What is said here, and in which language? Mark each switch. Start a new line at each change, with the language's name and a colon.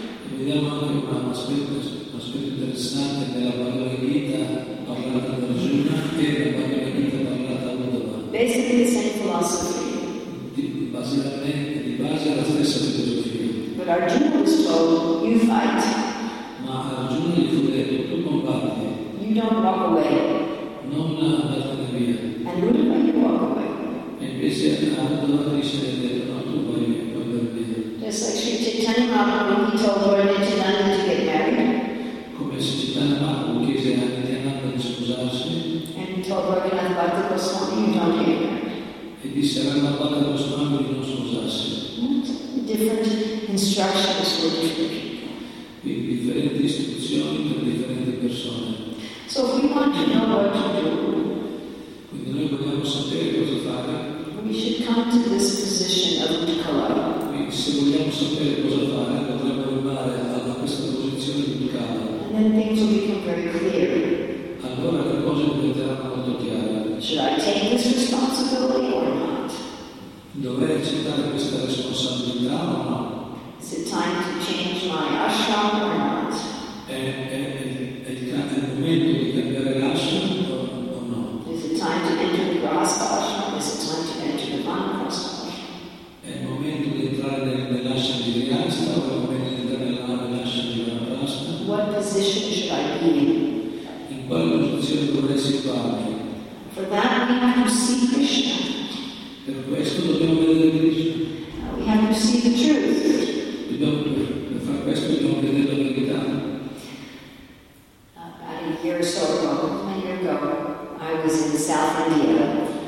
Italian: E vediamo anche un aspetto interessante della Bhagavad Gita parlata da Arjuna e la Bhagavad Gita parlata da Uddhava.
English: Basically the same philosophy.
Italian: Di base alla stessa filosofia.
English: But Arjuna was told, you fight.
Italian: Ma Arjuna gli fu detto, tu combatti.
English: You don't walk away.
Italian: Non andate via.
English: And Uddhava, you walk away.
Italian: E invece Uddhava dice, ha detto, no, tu vai via.
English: Just like Sri Chaitanya Mahaprabhu, he told Lord Nityananda to get married.
Italian: Come se Chaitanya Mahaprabhu chiese a Nityananda di sposarsi.
English: And he told Lord Nityananda Bhakti Goswami, you don't get married.
Italian: E disse a Nityananda Bhakti Goswami di non sposarsi.
English: Different instructions for different people.
Italian: Quindi differenti istruzioni per differenti persone.
English: So if we want to know what to do.
Italian: Quindi noi vogliamo sapere cosa fare.
English: We should come to this position of Utkala.
Italian: Quindi se vogliamo sapere cosa fare, potremmo arrivare a questa posizione di Utkala.
English: And things will become very clear.
Italian: Allora le cose diventeranno molto chiare.
English: Should I take this responsibility or not?
Italian: Dovrei accettare questa responsabilità o no?
English: Is it time to change my ashram or not?
Italian: È il momento di cambiare l'ashram o no?
English: Is it time to enter the grasa ashram? Is it time to enter the vanaprasa ashram?
Italian: È il momento di entrare nell'ashram di grasa o è il momento di entrare nell'ashram di vanaprasa?
English: What position should I be in?
Italian: In quale posizione vorrei situarmi?
English: For that we have to see Krishna.
Italian: Per questo dobbiamo vedere Krishna.
English: We have to see the truth.
Italian: Per fare questo dobbiamo vedere la verità.
English: Adding year or so ago, I was in South India.